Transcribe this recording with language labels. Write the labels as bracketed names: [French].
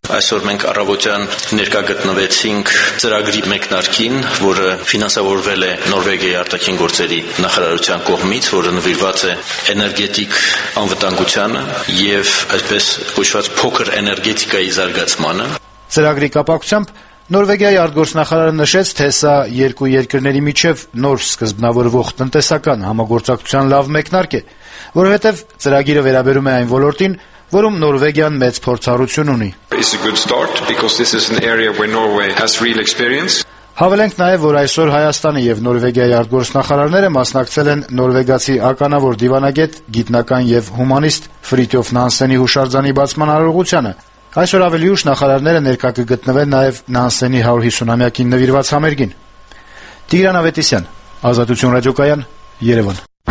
[Armenian] Այսօր մենք առավոտյան ներկա գտնվեցինք ծրագրի մեկնարկին, որը ֆինանսավորվել է Նորվեգիայի արտաքին գործերի նախարարության կողմից, որը նվիրված է էներգետիկ անվտանգությանը և այսպես կոչված փոքր էներգետիկայի զարգացմանը։ Ծրագրի կապակցությամբ Նորվեգիայի արտգործնախարարը նշեց, թե սա երկու երկրների միջև նոր սկզբնավորվող տնտեսական համագործակցության լավ մեկնարկ է, որովհետև ծրագիրը վերաբերում է այն ոլորտին, որում Նորվեգիան մեծ փորձառություն ունի։ [English] It's a good start because this is an area where Norway has real experience. [Armenian] Հավելենք նաև, որ այսօր Հայաստանի և Նորվեգիայի արտգործնախարարները մասնակցել են Նորվեգացի ականավոր դիվանագետ, գիտնական և հումանիստ Ֆրիթյոֆ Նանսենի հուշարձանի բացման արարողությանը։ Այսօր ավելի ուշ նախարարները ներկա կգտնվեն նաև Նանսենի 150-ամյակին նվիրված համերգին։ Տիգրան Ավետիսյան, Ազատություն ռադիոկայան, Երևան։